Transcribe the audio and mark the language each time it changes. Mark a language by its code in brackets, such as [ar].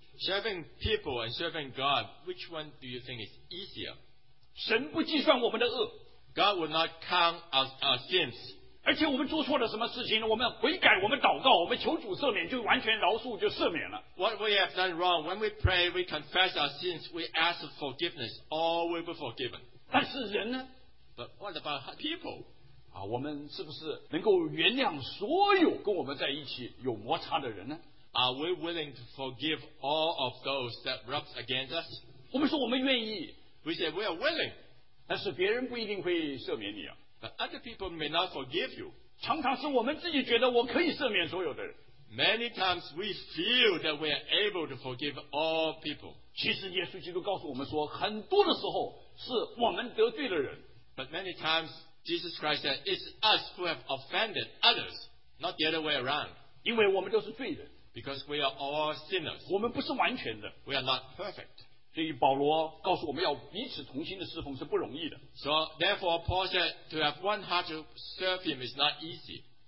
[en] Serving people and serving God, which one do you think is easier? [zh] 神不计算我们的恶。 [en] God will not count our sins. [zh] 而且我们做错了什么事情呢？我们悔改，我们祷告，我们求主赦免，就完全饶恕，就赦免了。 [en] What we have done wrong, when we pray, we confess our sins, we ask for forgiveness, all will be forgiven. [zh] 但是人呢？ [en] But what about people? [zh] 啊，我们是不是能够原谅所有跟我们在一起有摩擦的人呢？ [en] Are we willing to forgive all of those that rub against us? [zh] 我们说我们愿意。 [en] We say we are willing. [zh] 但是别人不一定会赦免你啊。 [en] But other people may not forgive you. [zh] 常常是我们自己觉得我可以赦免所有的人。 [en] Many times we feel that we are able to forgive all people. [zh] 其实耶稣基督告诉我们说，很多的时候是我们得罪的人。 [en] But many times Jesus Christ said it's us who have offended others, not the other way around. [zh] 因为我们都是罪人。 [en] Because we are all sinners. [zh] 我们不是完全的。 [en] We are not perfect. [zh] 所以保罗告诉我们要彼此同心的侍奉是不容易的。 [en] So therefore Paul said to have one heart to serve him is not easy.